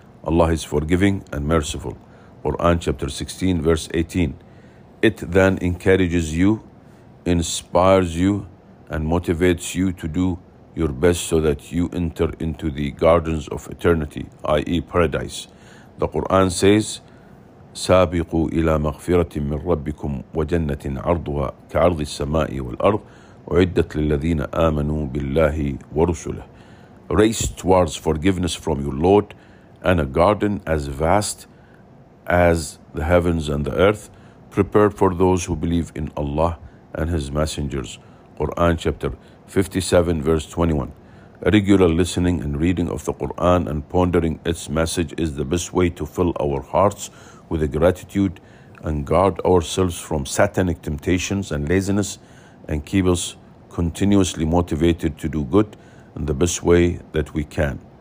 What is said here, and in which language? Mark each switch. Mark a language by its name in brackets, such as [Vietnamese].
[English] Allah is forgiving and merciful. Quran chapter 16, verse 18. It then encourages you, inspires you, and motivates you to do your best so that you enter into the gardens of eternity, i.e. paradise. The Quran says, [Arabic] سابقوا إلى مغفرة من ربكم وجنة عرضها كعرض السماء والأرض أعدت للذين آمنوا بالله ورسله. [English] Race towards forgiveness from your Lord and a garden as vast as the heavens and the earth prepared for those who believe in Allah and His messengers. Quran chapter 57, verse 21. Regular listening and reading of the Quran and pondering its message is the best way to fill our hearts with gratitude and guard ourselves from satanic temptations and laziness and keep us continuously motivated to do good in the best way that we can.